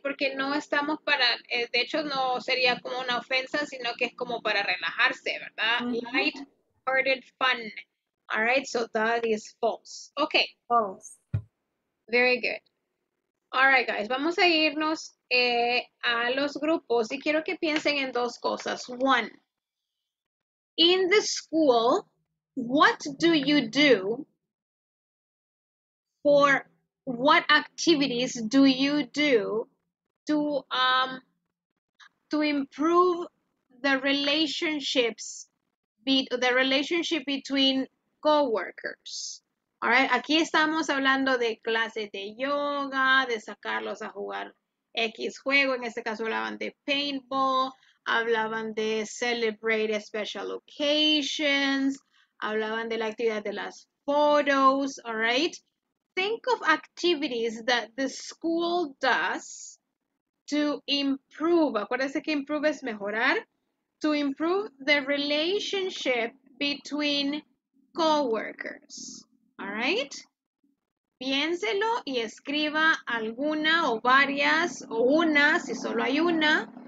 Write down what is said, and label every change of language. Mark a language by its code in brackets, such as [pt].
[es] Porque no estamos para, de hecho, no sería como una ofensa, sino que es como para relajarse, ¿verdad? [en] Mm-hmm. Light-hearted fun. All right, so that is false. Okay. False. Very good. All right, guys, [es] vamos a irnos a los grupos y quiero que piensen en dos cosas. [en] One. In the school, what do you do for what activities do you do to improve the relationships, the relationship between coworkers? All right, [es] aquí estamos hablando de clases de yoga, de sacarlos a jugar X juego, en este caso hablaban de paintball. Hablaban de [en] celebrate special occasions, [es] hablaban de la actividad de las photos, [en] all right? Think of activities that the school does to improve, [es] acuérdense que improve es mejorar, [en] to improve the relationship between coworkers, all right? [es] Piénselo y escriba alguna o varias o una, si solo hay una.